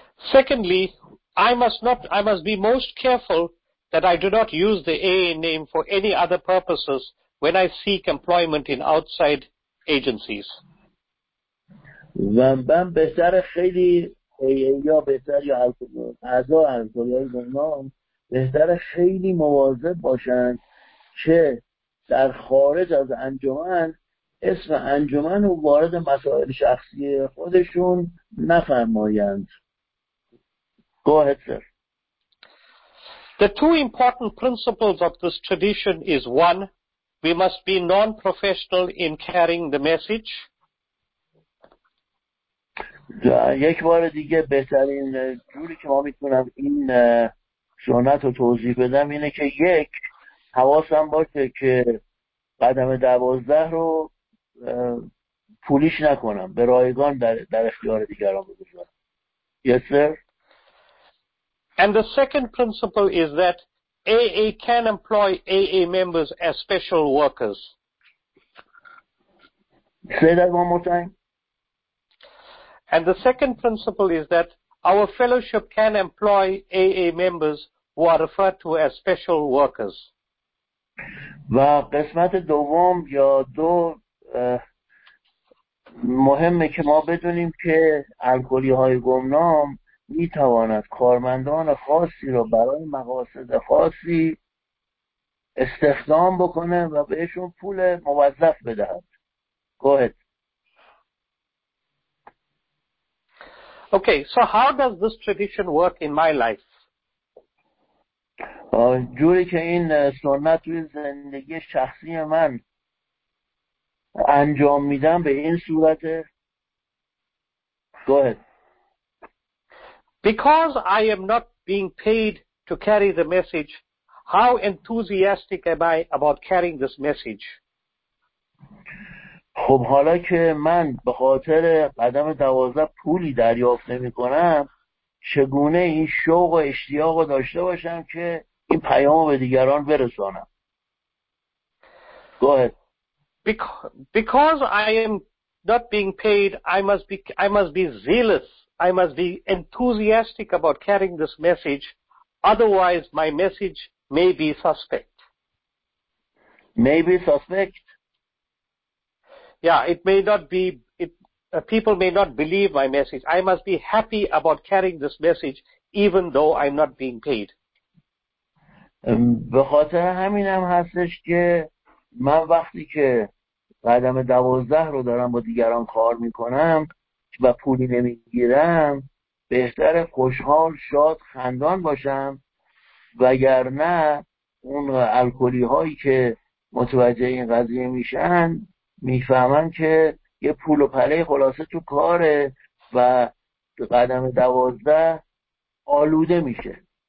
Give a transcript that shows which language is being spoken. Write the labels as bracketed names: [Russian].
[English] Secondly, I must be most careful that I do not use the AA name for any other purposes when I seek employment in outside agencies. [Persian] و من بهتر خیلی یا بهتر یا اعضا الکلی‌های گمنام بهتر خیلی مواظب باشند که در خارج از انجمن اسم انجمن رو وارد مسائل شخصی خودشون نفرمایند. [English] Go ahead, sir. The two important principles of this tradition is one, we must be non-professional in carrying the message. [Persian] یک بار دیگه بهترین جوری که ما میتونم این سنت رو توضیح بدم اینه که یک حواسم باشه که قدم 12 رو پولیش نکنم، به رایگان در اختیار دیگران بگذارم. [English] Yes sir. And the second principle is that AA can employ AA members as special workers. Say that one more time. And the second principle is that our fellowship can employ AA members who are referred to as special workers. [Persian] و قسمت دوم یا دو مهمه که ما بدونیم که الکلی‌های گمنام می تواند کارمندان خاصی را برای مقاصد خاصی استخدام بکنه و بهشون پول موظف بدهد. [English] Go ahead. Okay, so how does this tradition work in my life? [Persian] جوری که این سنت توی زندگی شخصی من انجام میدن به این صورت. [English] Go ahead. Because I am not being paid to carry the message, how enthusiastic am I about carrying this message? [Persian] خب حالا که من به خاطر قدم 12 پولی دریافت نمی کنم، چگونه این شوق و اشتیاق رو داشته باشم که این پیامو به دیگران برسانم؟ [English] Go ahead. Because I am not being paid, I must be zealous. I must be enthusiastic about carrying this message. Otherwise, my message may be suspect. Maybe suspect. Yeah, it may not be. People may not believe my message. I must be happy about carrying this message, even though I'm not being paid. [Persian] به خاطر همین هم هستش که من وقتی که قدم 12 رو دارم با دیگران کار میکنم و پولی نمیگیرم، بهتر خوشحال، شاد، خندان باشم، وگرنه اون الکلی هایی که متوجه این قضیه میشن میفهمن که یه پول و پله خلاصه تو کاره و قدم 12 آلوده میشه.